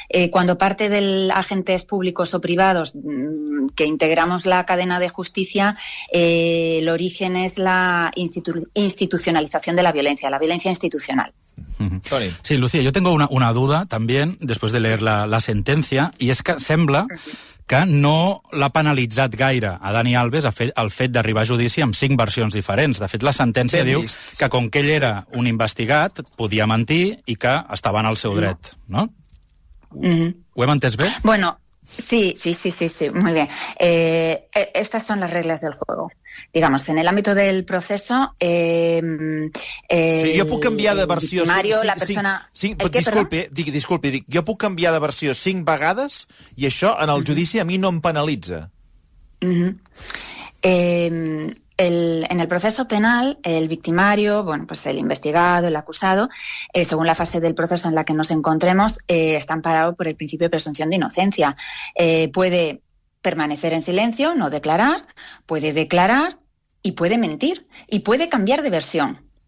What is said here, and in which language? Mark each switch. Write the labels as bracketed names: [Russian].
[Spanish] Cuando parte de agentes públicos o privados que integramos la cadena de justicia, el origen es la institucionalización de la violencia institucional. Sí, Lucía, yo tengo una duda también, después de leer la sentencia, y es que sembla [Catalan] que no l'ha penalitzat gaire a Dani Alves el fet d'arribar a judici amb 5 versions diferents. De fet, la sentència diu que com que ell era un investigat, podia mentir i que estava en el seu dret, no? Ho hem entès bé? [Spanish] Bueno, sí, muy bien. Estas son las reglas del juego. Digamos, en el ámbito del proceso... [Catalan] Jo puc canviar de versió... [Spanish] Mario, la persona... [Catalan] Disculpe, jo puc canviar de versió 5 vegades i això en el judici a mi no em penalitza. [Spanish] En el proceso penal, el victimario, bueno, pues el investigado, el acusado, según la fase del proceso en la que nos encontremos, está amparado por el principio de presunción de inocencia. Puede permanecer en silencio, no declarar, puede declarar y puede mentir y puede cambiar de versión.